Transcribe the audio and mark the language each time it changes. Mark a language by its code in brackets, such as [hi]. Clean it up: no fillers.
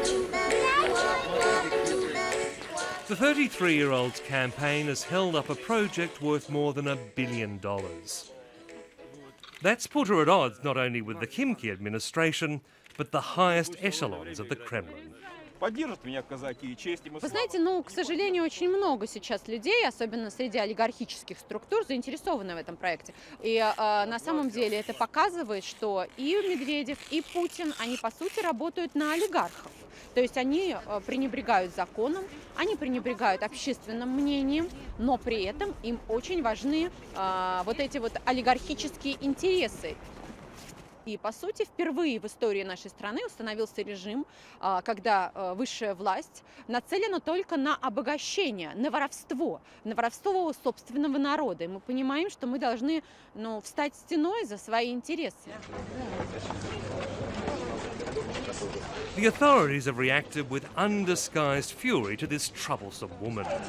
[en] The 33-year-old's campaign has held up a project worth more than $1 billion. That's put her at odds not only with the Khimki administration, but the highest echelons of the Kremlin. [ru] Поддержат меня казаки и честь, и мы. Вы знаете, ну, к сожалению, очень много сейчас людей, особенно среди олигархических структур, заинтересованы в этом проекте. И на самом деле это показывает, что и Медведев, и Путин, они по сути работают на олигархов. То есть они пренебрегают законом, они пренебрегают общественным мнением, но при этом им очень важны вот эти вот олигархические интересы. И, по сути, впервые в истории нашей страны установился режим, когда высшая власть нацелена только на обогащение, на воровство у собственного народа. И мы понимаем, что мы должны, ну, встать стеной за свои интересы. [en] The authorities have reacted with undisguised fury to this troublesome woman.